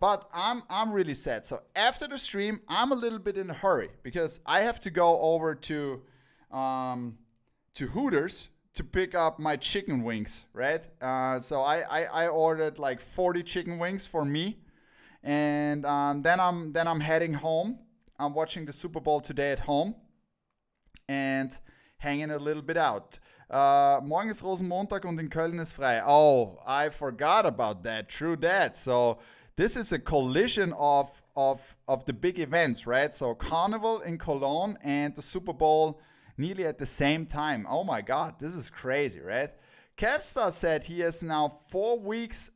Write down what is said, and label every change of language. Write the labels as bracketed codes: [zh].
[en] But I'm really sad. So after the stream, I'm a little bit in a hurry because I have to go over to Hooters to pick up my chicken wings, right? So I ordered like 40 chicken wings for me, and then I'm heading home. I'm watching the Super Bowl today at home, and hanging a little bit out. [de] Morgen ist Rosenmontag und in Köln ist frei. [en] Oh, I forgot about that. True that. So this is a collision of the big events, right? So Carnival in Cologne and the Super Bowl nearly at the same time. Oh my God, this is crazy, right? Capstar said he has now 4 weeks.